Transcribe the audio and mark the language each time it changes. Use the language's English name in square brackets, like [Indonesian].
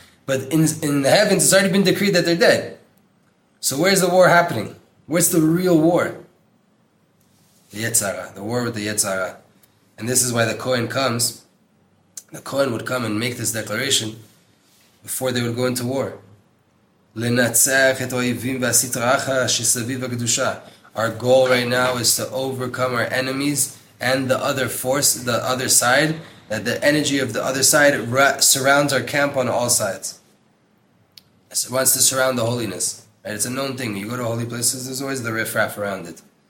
[English] But in the heavens, it's already been decreed that they're dead. So where's the war happening? Where's the real war? The Yetzara, the war with the Yetzara. And this is why the Kohen comes. The Kohen would come and make this declaration before they would go into war. [Hebrew] לנצח את האויבים ועשית רעך שסביב הקדושה. [English] Our goal right now is to overcome our enemies and the other force, the other side, that the energy of the other side surrounds our camp on all sides. It wants to surround the holiness. Right? It's a known thing. You go to holy places, there's always the riffraff around it.